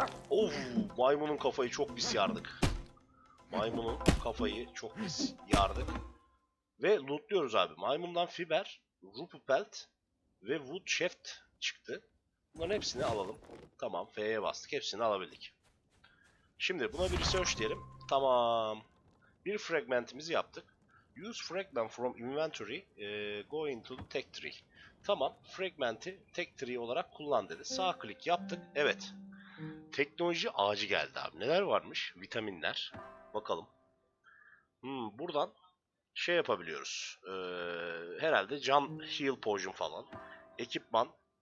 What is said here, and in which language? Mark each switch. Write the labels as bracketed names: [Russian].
[Turkish] Of, maymunun kafayı çok biz yardık. Maymunun kafayı çok biz yardık. Ve lootluyoruz abi. Maymundan fiber, rupu pelt ve wood shaft çıktı. Bunların hepsini alalım. Tamam, F'ye bastık. Hepsini alabildik. Şimdi buna bir research diyelim. Tamam. Bir fragmentimizi yaptık. [English] Use fragment from inventory, go into the tech tree. [Turkish] Tamam, fragmenti tech tree olarak kullan dedi. Sağ click yaptık, evet. Teknoloji ağacı geldi abi. Neler varmış? Vitaminler. Bakalım. Buradan şey yapabiliyoruz. Herhalde can heal potion falan. Ekipman.